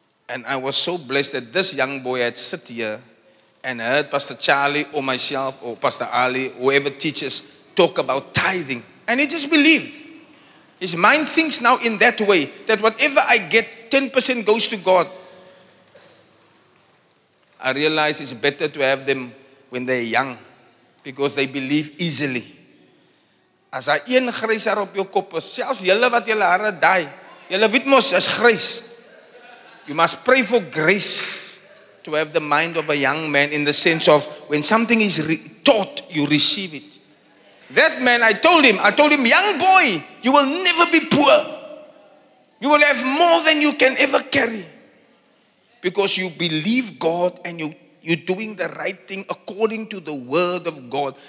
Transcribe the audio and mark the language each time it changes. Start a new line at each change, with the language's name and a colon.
English: And I was so blessed that this young boy had sat here and heard Pastor Charlie or myself or Pastor Ali, whoever teaches, talk about tithing. And he just believed. His mind thinks now in that way, that whatever I get, 10% goes to God. I realize it's better to have them when they're young because they believe easily.
Afrikaans: As I een grys haar op jou kop, selfs julle wat julle hare dye, julle weet mos is grys.
English: You must pray for grace to have the mind of a young man in the sense of when something is taught, you receive it. That man, I told him, young boy, you will never be poor. You will have more than you can ever carry. Because you believe God and you're doing the right thing according to the word of God.